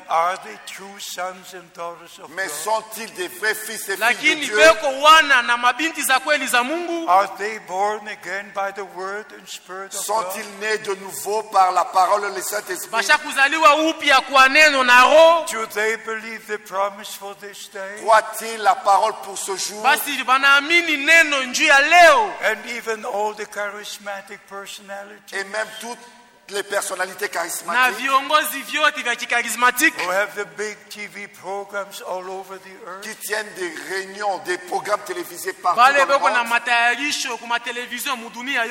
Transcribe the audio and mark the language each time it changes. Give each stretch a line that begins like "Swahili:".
English: are they true sons and daughters of God?
French: Mais sont-ils des vrais fils et filles de Dieu?
English: Are they born again by the word and spirit of God?
French: Sont-ils nés de nouveau par la parole et le Saint-Esprit?
English: Do they believe the promise for this day?
French: Croient-ils la parole pour ce jour?
English: And even all the charismatic personalities.
French: Et même toutes les personnalités charismatiques
English: who have the big TV programs all over the earth,
French: qui tiennent des réunions, des programmes télévisés partout dans le monde.